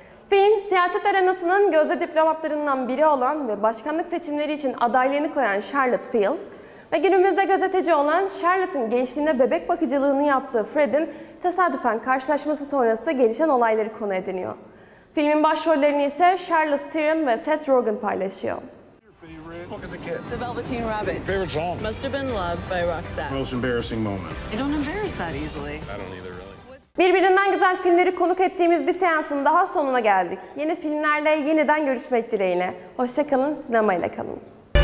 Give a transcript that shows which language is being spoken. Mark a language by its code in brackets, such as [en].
[tr] Film, siyaset arenasının gözde diplomatlarından biri olan ve başkanlık seçimleri için adaylığını koyan Charlotte Field ve günümüzde gazeteci olan Charlotte'ın gençliğinde bebek bakıcılığını yaptığı Fred'in tesadüfen karşılaşması sonrası gelişen olayları konu ediniyor. Filmin başrollerini ise Charlize Theron ve Seth Rogen paylaşıyor. [en] The Velveteen Rabbit. Your favorite song. Must have been Love by Roxette. Most embarrassing moment. I don't embarrass that easily. I don't either really. [tr] Birbirinden güzel filmleri konuk ettiğimiz bir seansın daha sonuna geldik. Yeni filmlerle yeniden görüşmek dileğiyle. Hoşça kalın, sinemayla kalın.